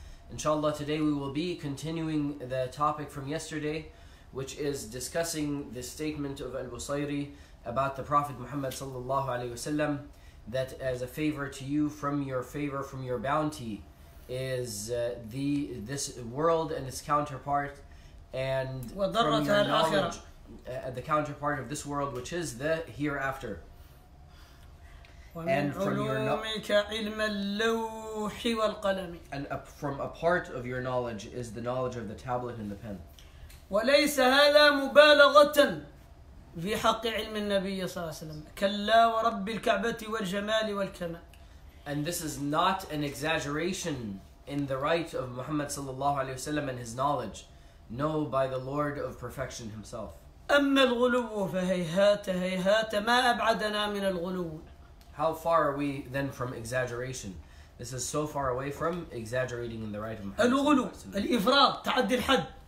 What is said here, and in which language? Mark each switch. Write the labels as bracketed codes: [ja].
[en] Inshallah, today we will be continuing the topic from yesterday, which is discussing the statement of Al-Busayri about the Prophet Muhammad sallallahu alaihi wasallam, that as a favor to you from your favor, from your bounty, is this world and its counterpart, and from your knowledge, the counterpart of this world, which is the hereafter. And from your from a part of your knowledge is the knowledge of the tablet and the pen. [ar] وليس هذا مبالغة في حق علم النبي صلى الله عليه وسلم كلا ورب الكعبة والجمال والكمال. [en] And this is not an exaggeration in the right of Muhammad [ar] صلى الله عليه وسلم [en] and his knowledge. No, by the Lord of perfection himself. أما الغلو فهيهات هيهات ما أبعدنا من الغلو. How far are we then from exaggeration? This is so far away from exaggerating in the right of Muhammad. [ar] الغلو الإفراط تعدي الحد.